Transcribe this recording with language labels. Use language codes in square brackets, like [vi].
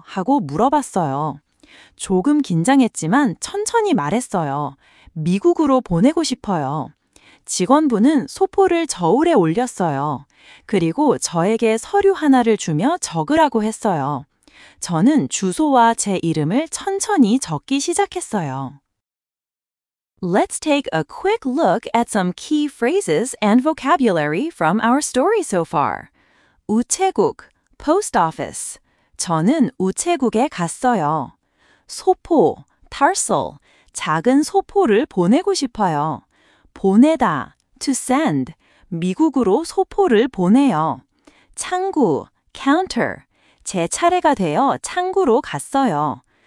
[ko] 하고 물어봤어요. 조금 긴장했지만 천천히 말했어요. 미국으로 보내고 싶어요. 직원분은 소포를 저울에 올렸어요. 그리고 저에게 서류 하나를 주며 적으라고 했어요. 저는 주소와 제 이름을 천천히 적기 시작했어요. [en] Let's take a quick look at some key phrases and vocabulary from our story so far. [ko] 우체국, post office. 저는 우체국에 갔어요. 소포, parcel. 작은 소포를 보내고 싶어요. 보내다, to send. 미국으로 소포를 보내요. 창구, counter. 제 차례가 되어 창구로 갔어요.